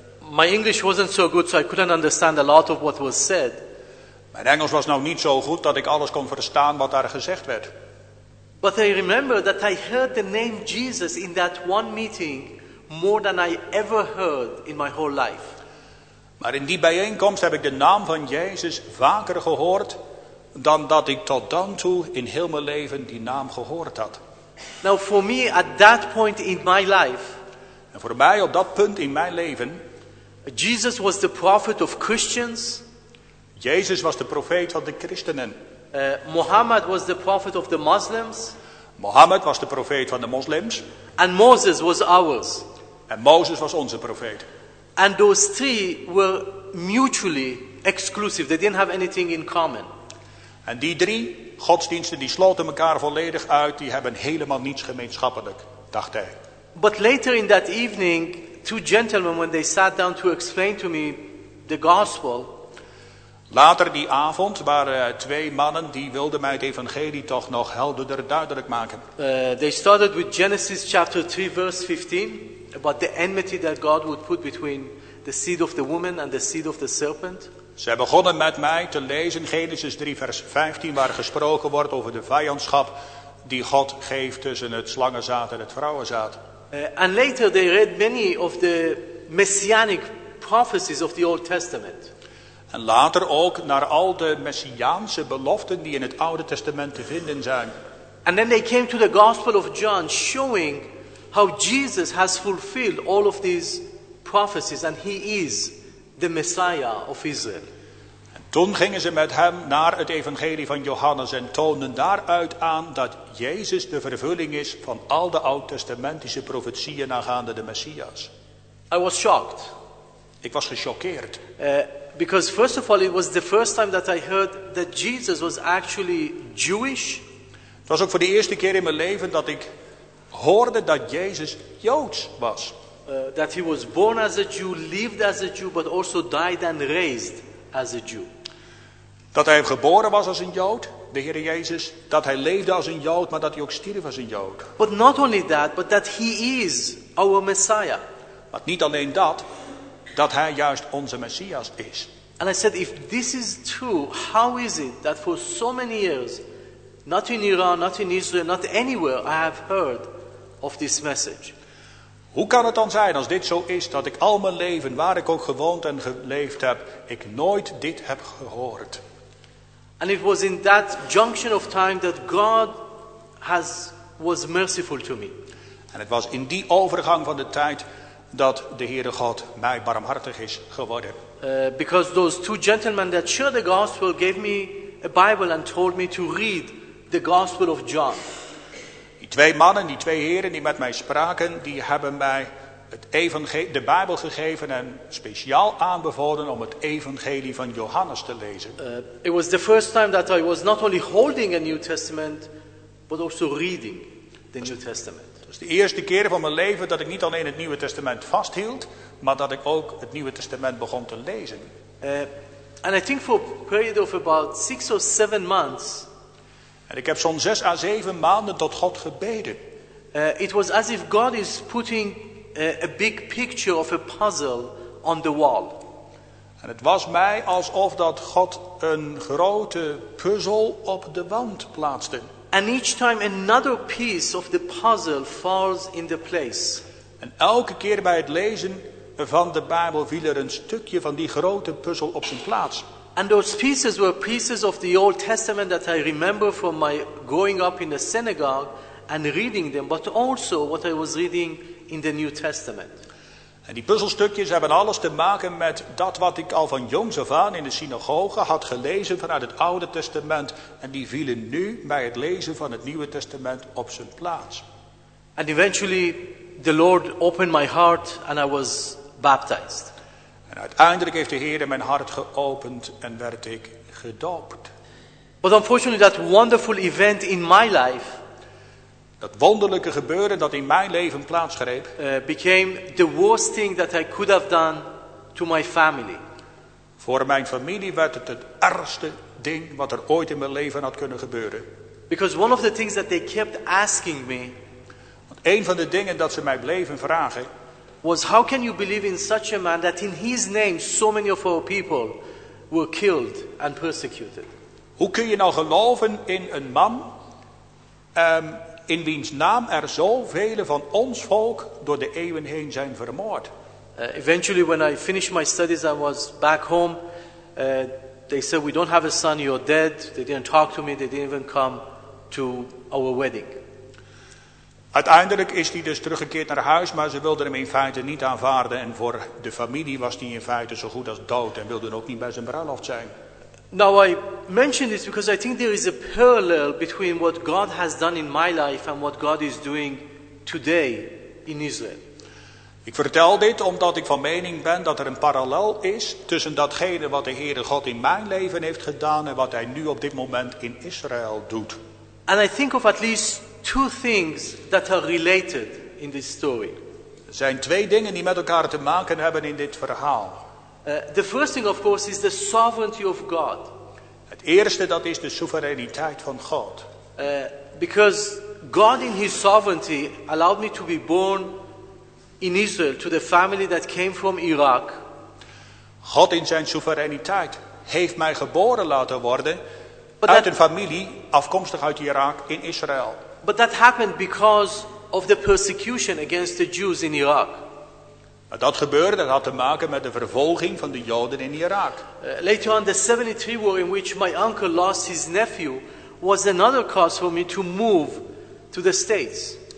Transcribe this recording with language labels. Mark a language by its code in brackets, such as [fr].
[en] My English wasn't so good, so I couldn't understand a lot of what was said. [nl] Mijn Engels was nou niet zo goed dat ik alles kon verstaan wat daar gezegd werd. [en] But I remember that I heard the name Jesus in that one meeting more than I ever heard in my whole life. [nl] Maar in die bijeenkomst heb ik de naam van Jezus vaker gehoord dan dat ik tot dan toe in heel mijn leven die naam gehoord had. [en] Now for me at that point in my life, [nl] en voor mij op dat punt in mijn leven, [en] Jesus was the prophet of Christians. [nl] Jezus was de profeet van de christenen. [en] Mohammed was the prophet of the Muslims. [nl] Mohammed was de profeet van de moslims. [en] And Moses was ours. [nl] En Mozes was onze profeet. [en] And those three were mutually exclusive. They didn't have anything in common. [nl] En die drie godsdiensten die sloten elkaar volledig uit. Die hebben helemaal niets gemeenschappelijk, dacht hij. [en] But later in that evening, two gentlemen, when they sat down to explain to me the gospel. [nl] Later die avond waren twee mannen die wilden mij het evangelie toch nog helderder duidelijk maken. [en] They started with Genesis chapter 3 verse 15. About the enmity that God would put between the seed of the woman and the seed of the serpent. [nl] Ze begonnen met mij te lezen Genesis 3 vers 15 waar gesproken wordt over de vijandschap die God geeft tussen het slangenzaad en het vrouwenzaad. [en] And later they read many of the messianic prophecies of the Old Testament. [nl] En later ook naar al de messiaanse beloften die in het Oude Testament te vinden zijn. [en] And then they came to the Gospel of John showing how Jesus has fulfilled all of these prophecies and he is the Messiah of Israel. [nl] En toen gingen ze met hem naar het evangelie van Johannes en toonden daaruit aan dat Jezus de vervulling is van al de oud-testamentische profetieën aangaande de Messias. [en] I was shocked. [nl] Ik was gechoqueerd. [en] Because first of all it was the first time that I heard that Jesus was actually Jewish. [nl] Het was ook voor de eerste keer in mijn leven dat ik hoorde dat Jezus Joods was. [en] That he was born as a Jew, lived as a Jew, but also died and raised as a Jew. [nl] Dat hij geboren was als een Jood, de Heer Jezus. Dat hij leefde als een Jood, maar dat hij ook stierf als een Jood. [en] But not only that, but that he is our Messiah. [nl] Maar niet alleen dat, dat hij juist onze Messias is. [en] And I said, if this is true, how is it that for so many years, not in Iran, not in Israel, not anywhere, I have heard of this message. [nl] Hoe kan het dan zijn als dit zo is dat ik al mijn leven, waar ik ook gewoond en geleefd heb, ik nooit dit heb gehoord? [en] And it was in that junction of time that God was merciful to me. [nl] En het was in die overgang van de tijd dat de Heere God mij barmhartig is geworden. [en] Because those two gentlemen that shared the gospel gave me a Bible and told me to read the Gospel of John. [nl] Die twee mannen, die twee heren die met mij spraken, die hebben mij het de Bijbel gegeven en speciaal aanbevolen om het evangelie van Johannes te lezen. [en] It was the first time that I was not only holding a New Testament, but also reading the New Testament. [nl] Dat is de eerste keer van mijn leven dat ik niet alleen het Nieuwe Testament vasthield, maar dat ik ook het Nieuwe Testament begon te lezen. [en] And I think for a period of about 6 or 7 months. [nl] En ik heb zo'n 6 à 7 maanden tot God gebeden. [en] It was as if God is putting a big picture of a puzzle on the wall. [nl] En het was mij alsof dat God een grote puzzel op de wand plaatste. [en] And each time another piece of the puzzle falls in the place. [nl] En elke keer bij het lezen van de Bijbel viel er een stukje van die grote puzzel op zijn plaats. [en] And those pieces were pieces of the Old Testament that I remember from my growing up in the synagogue and reading them, but also what I was reading in the New Testament. [nl] En die puzzelstukjes hebben alles te maken met dat wat ik al van jongs af aan in de synagoge had gelezen vanuit het Oude Testament. En die vielen nu bij het lezen van het Nieuwe Testament op zijn plaats. [en] And eventually the Lord opened my heart and I was baptized. [nl] En uiteindelijk heeft de Heer mijn hart geopend en werd ik gedoopt. [en] But unfortunately that wonderful event in my life. [nl] Dat wonderlijke gebeuren dat in mijn leven plaatsgreep. [en] Became the worst thing that I could have done to my family. [nl] Voor mijn familie werd het ergste ding wat er ooit in mijn leven had kunnen gebeuren. [en] Because one of the things that they kept asking me. [nl] Want een van de dingen dat ze mij bleven vragen. [en] Was how can you believe in such a man that in his name so many of our people were killed and persecuted. [nl] Hoe kun je nou geloven in een man. In wiens naam er zoveel van ons volk door de eeuwen heen zijn vermoord. [en] Eventually when I finished my studies I was back home. They said we don't have a son, you're dead. They didn't talk to me, they didn't even come to our wedding. [nl] Uiteindelijk is hij dus teruggekeerd naar huis, maar ze wilden hem in feite niet aanvaarden. En voor de familie was hij in feite zo goed als dood en wilden ook niet bij zijn bruiloft zijn. [en] Now I mention this because I think there is a parallel between what God has done in my life and what God is doing today in Israel. [nl] Ik vertel dit omdat ik van mening ben dat er een parallel is tussen datgene wat de Heere God in mijn leven heeft gedaan en wat hij nu op dit moment in Israël doet. [en] And I think of at least 2 things that are related in this story. [nl] Er zijn 2 dingen die met elkaar te maken hebben in dit verhaal. [en] The first thing, of course, is the sovereignty of God. [nl] Het eerste, dat is de soevereiniteit van God. [en] Because God in his sovereignty allowed me to be born in Israel to the family that came from Iraq. [nl] God in zijn soevereiniteit heeft mij geboren laten worden uit een familie afkomstig uit Irak in Israël. [en] But that happened because of the persecution against the Jews in Iraq. [nl] Dat gebeurde, dat had te maken met de vervolging van de Joden in Irak. [en] Later on, the 73 war in which my uncle lost his nephew was another cause for me to move to the States.